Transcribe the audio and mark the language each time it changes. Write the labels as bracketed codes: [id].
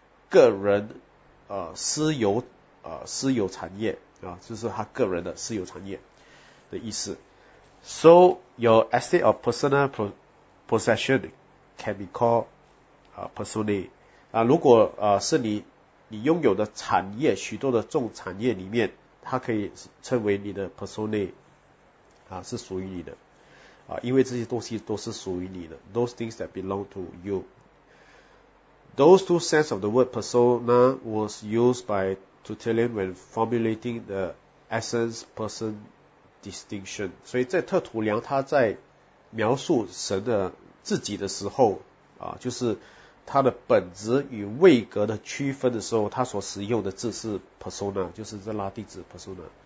[zh] 个人私有产业就是他个人的私有产业的意思。 [en] So your estate of personal possession can be called personae. [zh] 如果是你拥有的产业，许多的重产业里面，它可以称为你的 personae, 是属于你的因为这些东西都是属于你的。 [en] Those things that belong to youThose two sense of the word persona was used by Tertullian when formulating the essence person distinction. [zh] 所以在特土良他在描述神的自己的时候就是他的本质与位格的区分的时候，他所使用的字是 persona, 就是这拉丁字 persona.